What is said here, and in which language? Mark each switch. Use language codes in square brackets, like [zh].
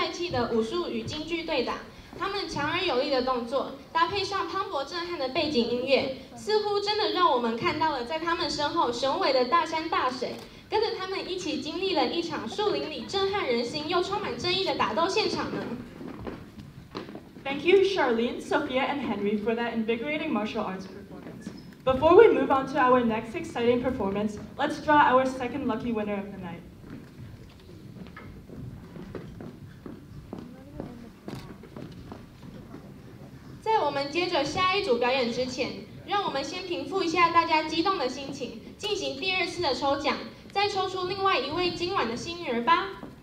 [zh] 的武术与京剧对打，他们强而有力的动作搭配上磅礴震撼的背景音乐，似乎真的让我们看到了在他们身后雄伟的大山大水，跟着他们一起经历了一场树林里震撼人心又充满争议的打斗现场呢。 [en] Thank you, Charlene, Sophia, and Henry for that invigorating martial arts performance. Before we move on to our next exciting performance, let's draw our second lucky winner of the night. [zh] In 我们接着下一组表演之前，让我们先平复一下大家激动的心情，进行第二次的抽奖，再抽出另外一位今晚的幸运儿吧。